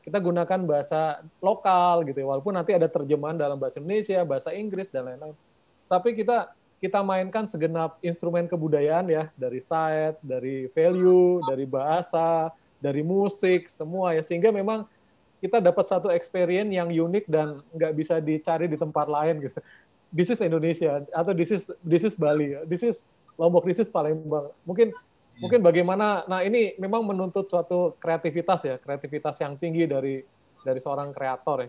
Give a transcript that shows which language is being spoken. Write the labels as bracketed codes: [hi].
[id] Kita gunakan bahasa lokal gitu, walaupun nanti ada terjemahan dalam bahasa Indonesia, bahasa Inggris dan lain-lain. Tapi kita mainkan segenap instrumen kebudayaan ya, dari sight, dari value, dari bahasa, dari musik, semua ya, sehingga memang kita dapat satu experience yang unik dan nggak bisa dicari di tempat lain gitu. [en] This is Indonesia atau this is Bali, this is Lombok, this is Palembang. [id] Mungkin mungkin bagaimana? Nah ini memang menuntut suatu kreativitas ya, kreativitas yang tinggi dari seorang kreator ya.